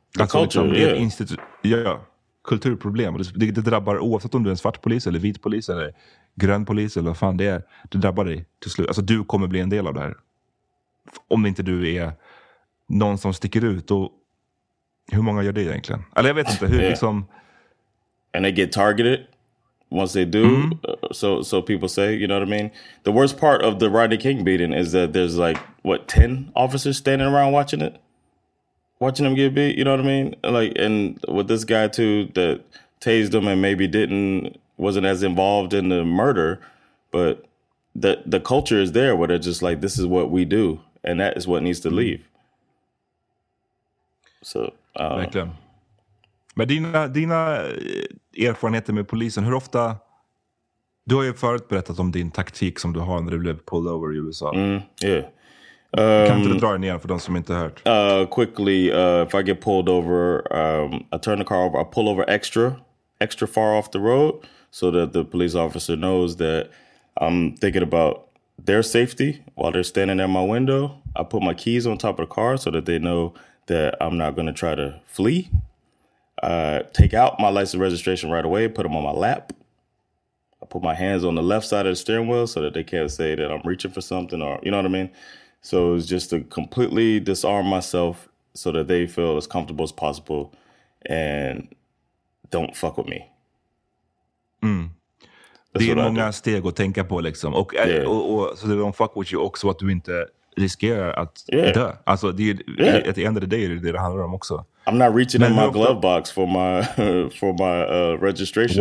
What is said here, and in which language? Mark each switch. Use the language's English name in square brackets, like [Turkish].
[Swedish] Alltså, liksom, kulturproblem. Det drabbar oavsett om du är en svart polis eller vit polis eller grön polis eller vad fan det är. Det drabbar dig till slut. Alltså du kommer bli en del av det här. Om inte du är någon som sticker ut, och hur många gör det egentligen? Eller jag vet inte hur liksom. [English] And they get targeted once they do. So people say, you know what I mean? The worst part of the Rodney King beating is that there's like what, 10 officers standing around watching it? Watching him get beat, you know what I mean? Like, and with this guy too that tased him and maybe wasn't as involved in the murder, but the culture is there where they're just like, this is what we do, and that is what needs to leave. So [Swedish] verkligen. Men dina erfarenheter med polisen, hur ofta, du har ju förut berättat om din taktik som du har när du blev [English] pulled over [Swedish] i USA. Kan inte du dra den igen för de som inte hört? [English] Quickly, if I get pulled over, I turn the car over, I pull over extra far off the road so that the police officer knows that I'm thinking about their safety while they're standing at my window. I put my keys on top of the car so that they know that I'm not going to try to flee. Take out my license registration right away, put them on my lap. I put my hands on the left side of the steering wheel so that they can't say that I'm reaching for something, or, you know what I mean? So it's just to completely disarm myself so that they feel as comfortable as possible and don't fuck with me. [Swedish] Det är många steg att tänka på liksom. Och så [English] don't fuck with you [Swedish] också, att du inte riskerar att dö. Alltså [English] at the end of the day, [Swedish] det är det det handlar om också. [English] I'm not reaching in my glove box for my registration.